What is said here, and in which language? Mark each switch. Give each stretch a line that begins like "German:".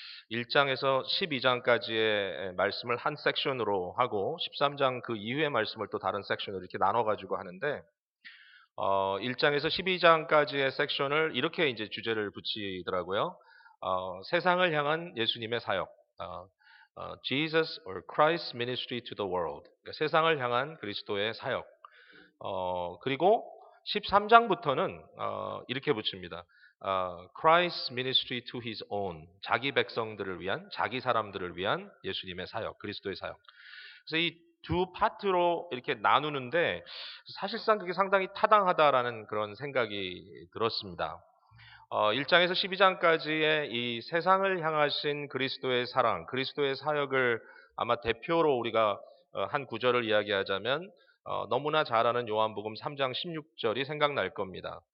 Korean: 1장에서 12장까지의 말씀을 한 섹션으로 하고 13장 그 이후의 말씀을 또 다른 섹션으로 이렇게 나눠가지고 하는데 1장에서 12장까지의 섹션을 이렇게 이제 주제를 붙이더라고요. 세상을 향한 예수님의 사역.
English: Jesus or Christ's ministry to the world.
Korean: 그러니까 세상을 향한 그리스도의 사역. 그리고 13장부터는 이렇게 붙입니다.
English: Christ's ministry to his own.
Korean: 자기 백성들을 위한, 자기 사람들을 위한 예수님의 사역, 그리스도의 사역. 그래서 이두 파트로 이렇게 나누는데 사실상 그게 상당히 타당하다라는 그런 생각이 들었습니다. 1장에서 12장까지의 이 세상을 향하신 그리스도의 사랑, 그리스도의 사역을 아마 대표로 우리가 한 구절을 이야기하자면 너무나 잘 아는 요한복음 3장 16절이 생각날 겁니다.